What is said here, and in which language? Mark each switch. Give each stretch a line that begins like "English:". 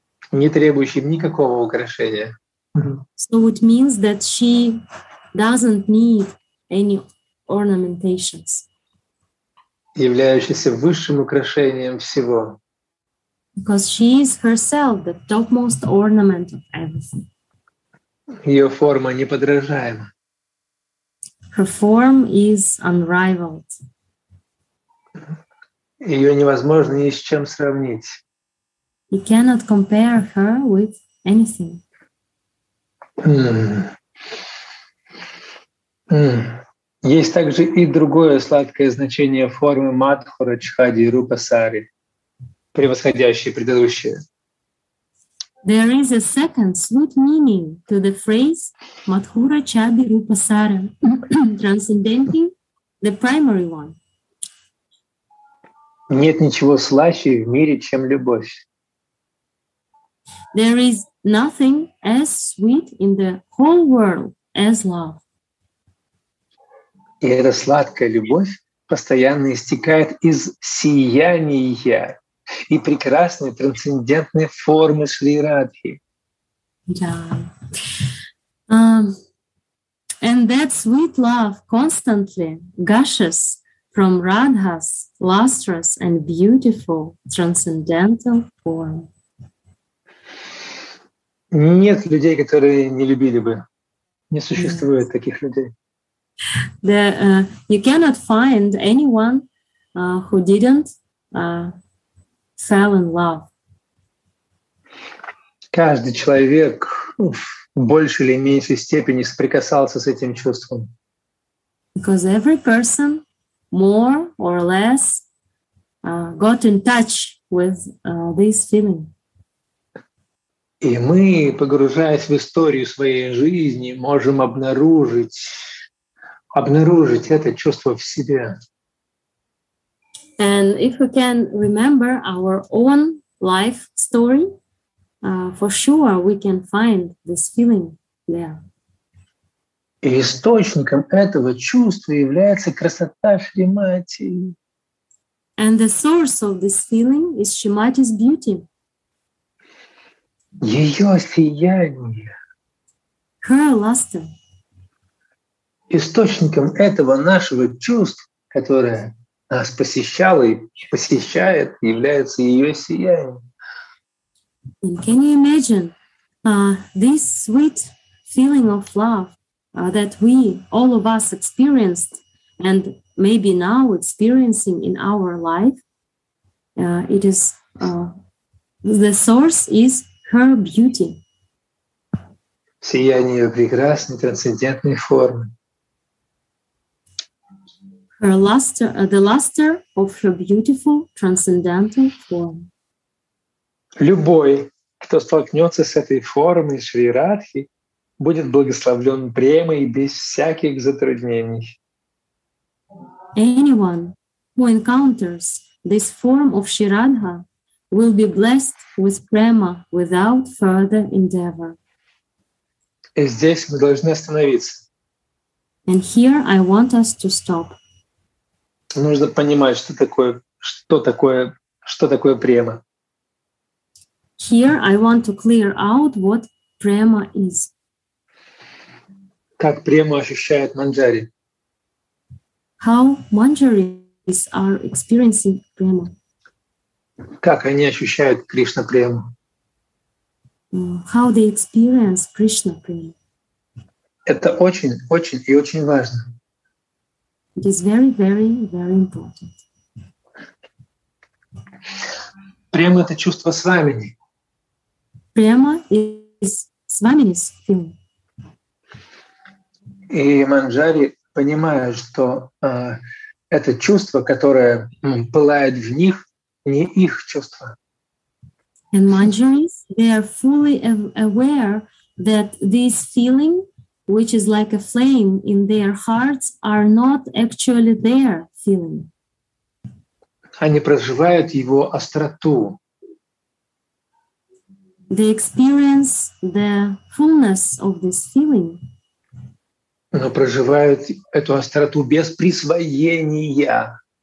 Russian: Не требующим никакого украшения.
English: So it means that she doesn't need any ornamentations.
Russian: Являющаяся высшим украшением всего.
English: Because she is herself the topmost ornament of everything.
Russian: Ее форма неподражаема.
English: Her form is unrivaled.
Russian: Ее невозможно ни с чем сравнить.
English: You cannot compare her with anything.
Russian: Есть также и другое сладкое значение формы Мадхура Чхади Рупа Сари, превосходящее предыдущее.
English: There is a second sweet meaning to the phrase Madhura Chadi Rupa Sara, transcending the primary one.
Russian: Нет ничего слаще в мире, чем любовь.
English: There is nothing as sweet in the whole world as love.
Russian: И эта сладкая любовь постоянно истекает из сияния и прекрасной трансцендентной формы Шри Радхи.
English: Yeah. And that sweet love constantly gushes from Radha's lustrous and beautiful transcendental form.
Russian: Нет людей, которые не любили бы. Не существует
English: yes.
Russian: таких людей.
English: You cannot find anyone who didn't fell in love.
Russian: Каждый человек в большей или меньшей степени соприкасался с этим чувством.
English: Because every person more or less got in touch with this feeling.
Russian: И мы, погружаясь в историю своей жизни, можем обнаружить это чувство в себе.
English: And if we can remember our own life story, for sure we can find this feeling there.
Russian: И источником этого чувства является красота Шримати.
English: And the source of this feeling is Shrimati's beauty.
Russian: Ее сияние.
English: Her luster.
Russian: Источником этого нашего чувства, которое нас посещала и посещает, является ее сиянием.
English: And can you imagine this sweet feeling of love that we, all of us, experienced and maybe now experiencing in our life? It is the source is her beauty.
Russian: Сияние прекрасной трансцендентной формы.
English: Her luster, the luster of her beautiful transcendental form.
Russian: Любой, кто столкнется с этой формой Шри Радхи, будет благословлен премой без всяких затруднений.
English: Anyone who encounters this form of Shri Radha will be blessed with prema without further endeavor.
Russian: И здесь мы должны остановиться.
English: And here I want us to stop.
Russian: Нужно понимать, что такое према.
English: Here I want to clear out what prema is.
Russian: Как прему ощущает Манджари?
English: How Manjaris are experiencing prema?
Russian: Как они ощущают Кришна прему?
English: How they experience Krishna prema?
Russian: Это очень, очень и очень важно.
English: It is very, very, very important.
Russian: Према — это чувство свамини.
English: Према is свамини's feeling.
Russian: И Манджари понимает, что это чувство, которое пылает в них, не их чувство.
English: And Manjaris, they are fully aware that this feeling, which is like a flame in their hearts, are not actually their feeling.
Russian: Они проживают его остроту.
English: They experience the fullness of this feeling.
Russian: Но проживают эту остроту без присвоения.